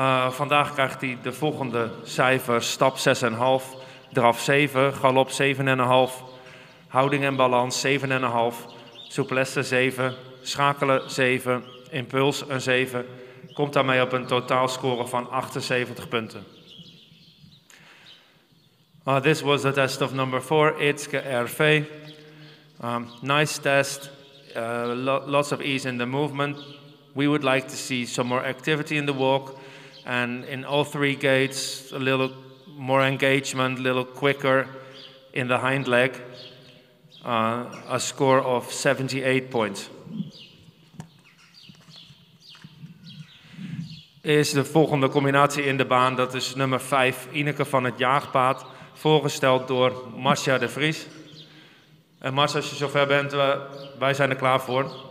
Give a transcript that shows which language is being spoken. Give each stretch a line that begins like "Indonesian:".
Dutch: Vandaag krijgt hij de volgende cijfers, stap 6,5, draf 7, galop 7,5, houding en balans 7,5, souplesse 7, schakelen 7, impuls een 7, komt daarmee op een totaalscore van 78 punten.
English: This was the test of number 4, Eertske RV. Nice test, lots of ease in the movement. We would like to see some more activity in the walk. And in all three gates, a little more engagement, a little quicker in the hind leg, a score of 78 points.
Dutch: Is de volgende combinatie in de baan, dat is nummer 5, Ineke van het Jaagpaard, voorgesteld door Marcia de Vries. En Marcia, als je zover bent, wij zijn er klaar voor.